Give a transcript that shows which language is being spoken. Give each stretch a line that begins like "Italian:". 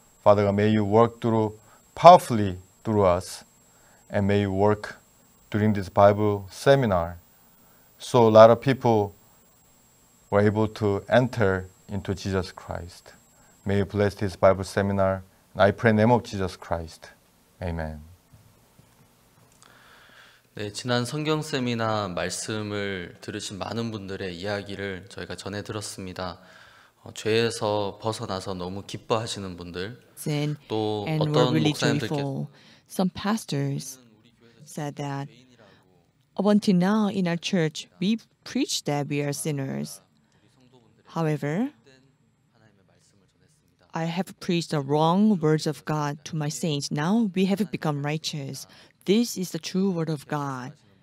English: Father, may you work through powerfully through us, and may you work during this Bible seminar so a lot of people were able to enter into Jesus Christ. May you bless this Bible seminar. I pray in the name of Jesus Christ. Amen.
Korean: 네, 지난 성경 세미나 말씀을 들으신 많은 분들의 이야기를 저희가 전해 들었습니다. 죄에서 벗어나서 너무 기뻐하시는 분들, 또 어떤 목사님들께서
English: some pastors said that up until now in our church we preach that we are sinners. However, I have preached the wrong words of God to my saints. Now we have become righteous. This is the true word of God.